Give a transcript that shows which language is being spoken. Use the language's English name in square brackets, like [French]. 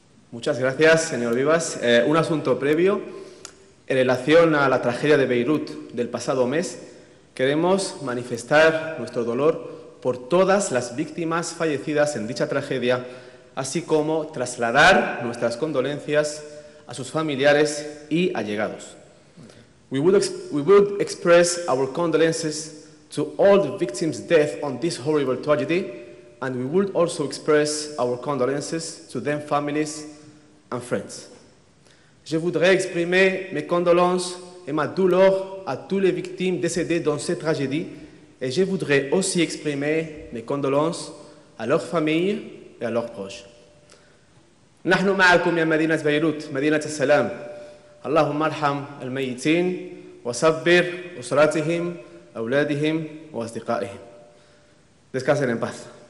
[Spanish] Muchas gracias, señor Vivas. Un asunto previo. En relación a la tragedia de Beirut del pasado mes, queremos manifestar nuestro dolor por todas las víctimas fallecidas en dicha tragedia, así como trasladar nuestras condolencias a sus familiares y allegados. [English] We would express our condolences to all the victims' death on this horrible tragedy, and we would also express our condolences to their families and friends. [French] Je voudrais exprimer mes condolences et ma douleur à toutes les victimes décédées dans cette tragédie, et je voudrais aussi exprimer mes condolences à leurs familles et à leurs proches. [Arabic] نحن معكم يا مدينة بيروت مدينة السلام اللهم ارحم الميتين وصبر أسرتهم أولادهم وأصدقائهم [Spanish] descansen en paz.